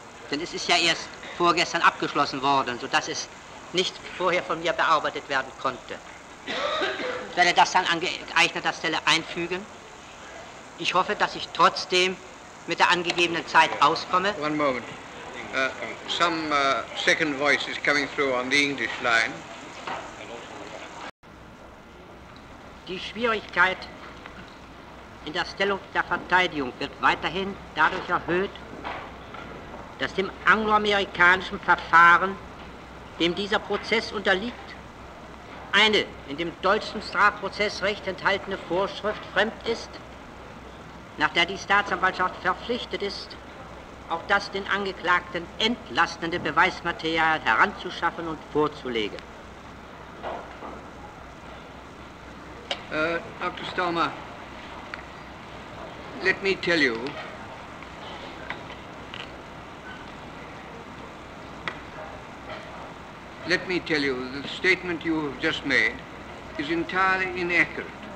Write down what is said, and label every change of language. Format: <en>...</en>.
<de>Denn es ist ja erst vorgestern abgeschlossen worden, sodass es nicht vorher von mir bearbeitet werden konnte. Ich werde das dann an geeigneter Stelle einfügen. Ich hoffe, dass ich trotzdem mit der angegebenen Zeit auskomme.</de> <en>One moment. Second voice is coming through on the English line.</en> <de>Die Schwierigkeit in der Stellung der Verteidigung wird weiterhin dadurch erhöht, dass dem angloamerikanischen Verfahren, dem dieser Prozess unterliegt, eine in dem deutschen Strafprozessrecht enthaltene Vorschrift fremd ist, nach der die Staatsanwaltschaft verpflichtet ist, auch das den Angeklagten entlastende Beweismaterial heranzuschaffen und vorzulegen.</de> <en>Dr. Starmer, let me tell you, the statement you have just made is entirely inaccurate.</en>